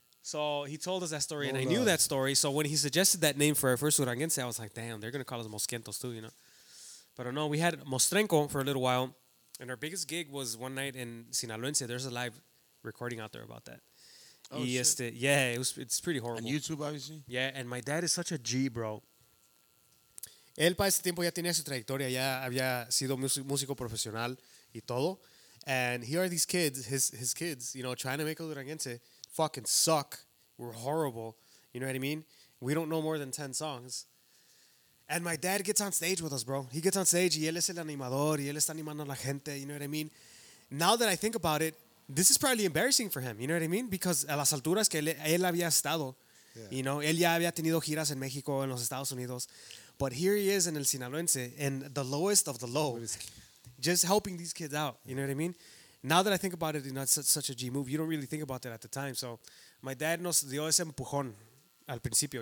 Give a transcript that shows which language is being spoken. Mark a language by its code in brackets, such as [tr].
[en] So he told us that story, and I knew that story. So when he suggested that name for our first Duranguense, I was like, damn, they're going to call us Mosquientos too, you know. But no, we had Mostrenco for a little while. And our biggest gig was one night in Sinaloense. There's a live recording out there about that. Oh, shit. Yeah, it's pretty horrible. On YouTube, obviously. Yeah, and my dad is such a G, bro. [es] Él para ese tiempo ya tenía su trayectoria, ya había sido músico profesional y todo. [en] And here are these kids, his kids, you know, trying to make a Duranguense. Fucking suck. We're horrible. You know what I mean? We don't know more than 10 songs. And my dad gets on stage with us, bro. He gets on stage, [es] y él es el animador, y él está animando a la gente. [en] You know what I mean? Now that I think about it, this is probably embarrassing for him. You know what I mean? [es] Because a las alturas que él había estado, yeah. You know, él ya había tenido giras en México, en los Estados Unidos. [en] But here he is in El Sinaloense, in the lowest of the low, just helping these kids out. You know what I mean? Now that I think about it, you know, it's such a G move. You don't really think about that at the time. So my dad [es] nos dio ese empujón al principio.